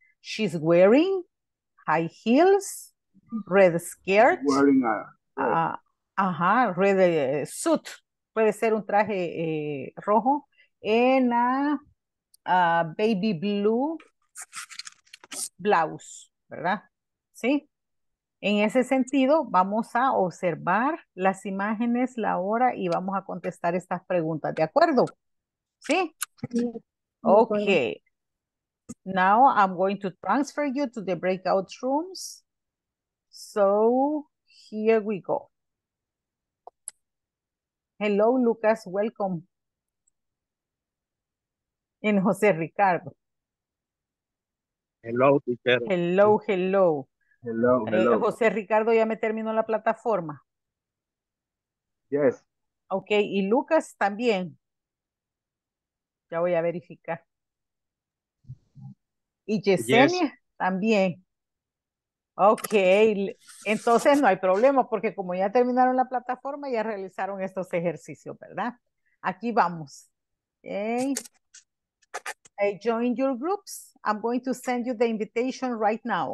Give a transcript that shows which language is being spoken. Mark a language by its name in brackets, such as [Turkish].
[English] She's wearing high heels, red skirt, red suit, [Spanish] puede ser un traje rojo, [English] en a baby blue blouse, ¿verdad? ¿Sí? [Spanish] En ese sentido, vamos a observar las imágenes, la hora y vamos a contestar estas preguntas, ¿de acuerdo? ¿Sí? Ok. [English] Now I'm going to transfer you to the breakout rooms. So here we go. Hello, Lucas. Welcome. And Jose Ricardo. Hello, teacher. Hello, hello. Hello, hello. [Spanish] Jose Ricardo ya me terminó la plataforma. [English] Yes. [Spanish] Okay, y Lucas también. Ya voy a verificar. Y Yesenia [English] yes. [Spanish] También. Ok, entonces no hay problema porque como ya terminaron la plataforma, ya realizaron estos ejercicios, ¿verdad? Aquí vamos. [English] Okay. I join your groups. I'm going to send you the invitation right now.